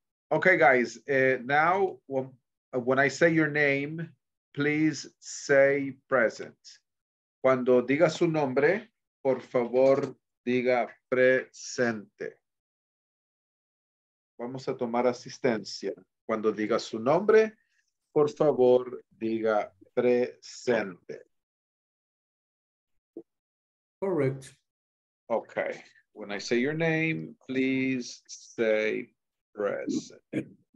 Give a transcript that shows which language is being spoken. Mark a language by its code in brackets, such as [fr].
[en] Okay, guys, now when I say your name, please say present. [es] Cuando diga su nombre, por favor, diga presente. Vamos a tomar asistencia. Cuando diga su nombre, por favor, diga presente. [en] Correct. Okay. When I say your name, please say present.